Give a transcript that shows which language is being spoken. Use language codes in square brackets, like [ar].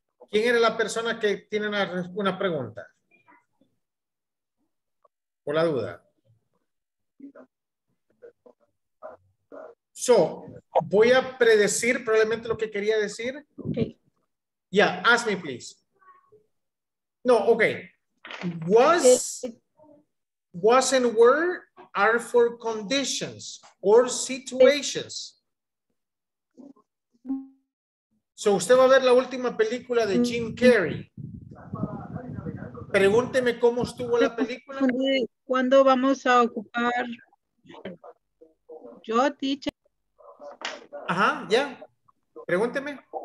[es] ¿Quién era la persona que tiene una pregunta? ¿O la duda? So, voy a predecir probablemente lo que quería decir. [en] Okay. Yeah, ask me please. No, okay. Was and were are for conditions or situations. [es] So, usted va a ver la última película de Jim Carrey. Pregúnteme cómo estuvo la película. ¿Cuándo vamos a ocupar? Yo, teacher. Ajá, ya. Pregúnteme.